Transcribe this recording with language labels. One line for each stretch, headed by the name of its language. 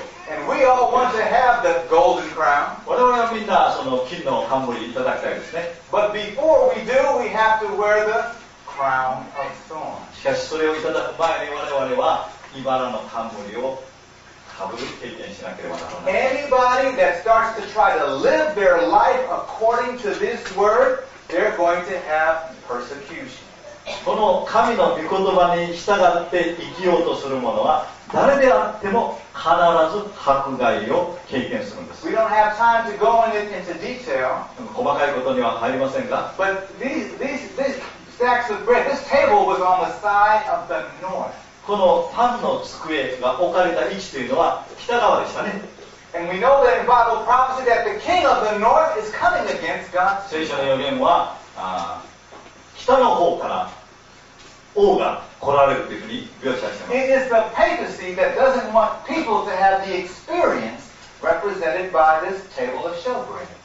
English: And we all want to have the golden crown.
Japanese: 我々はみんなその金の冠をいただきたいですね。
English: But before we do, we have to wear the crown of thorns.
Japanese: しかしそれをいただく前に我々は茨の冠をかぶる経験しなければならない。
English: Anybody that starts to try to live their life according to this word, they're going to have persecution.
Japanese: この神の御言葉に従って生きようとする者は誰であっても必ず迫害を経験するんです。
English: We don't have time to go into detail,
Japanese: 細かいことには入りませんが、このパンの机が置かれた位置というのは北側でしたね。
English: And we know that in Bible prophecy that the king of the north is coming against God.
Japanese: 聖書の予言は、北の方から王が来られるというふうに描写しています。
English: It is the papacy that doesn't want people to have the experience represented by this table of showbread.